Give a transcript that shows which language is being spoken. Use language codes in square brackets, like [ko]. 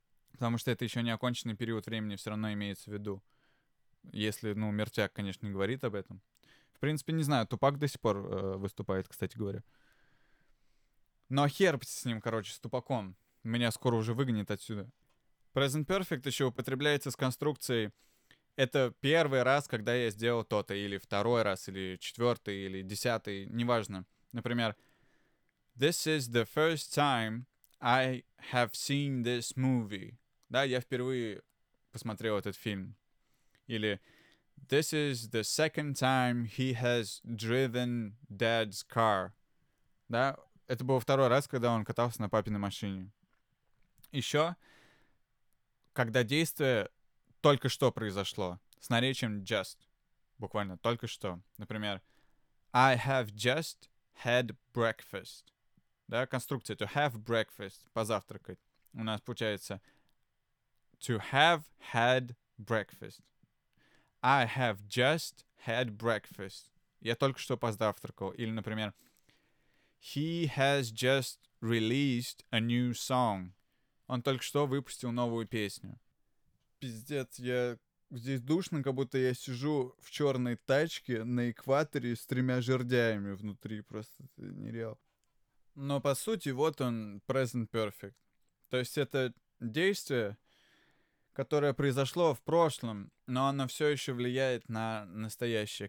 [ru] Потому что это еще не оконченный период времени, все равно имеется в виду. Если, ну, мертвяк, конечно, не говорит об этом. В принципе, не знаю, Тупак до сих пор выступает, кстати говоря. Но хер с ним, короче, с тупаком. Меня скоро уже выгонят отсюда. Present Perfect еще употребляется с конструкцией «Это первый раз, когда я сделал то-то», или «второй раз», или «четвертый», или «десятый», неважно. [en] Например, «This is the first time I have seen this movie». [ru] Да, я впервые посмотрел этот фильм. [en] Или «This is the second time he has driven dad's car». [ru] Да, это был второй раз, когда он катался на папиной машине. Еще, когда действие только что произошло, с наречием just, буквально только что. [en] Например, I have just had breakfast. [ru] Да, конструкция [en] to have breakfast, [ru] позавтракать. У нас получается [en] to have had breakfast. I have just had breakfast. [ru] Я только что позавтракал. Или, например, [en] he has just released a new song. [ru] Он только что выпустил новую песню. Пиздец, я здесь душно, как будто я сижу в черной тачке на экваторе с тремя жердяями внутри. Просто нереал. Но по сути, вот он, present perfect. То есть это действие, которое произошло в прошлом, но оно все еще влияет на настоящее.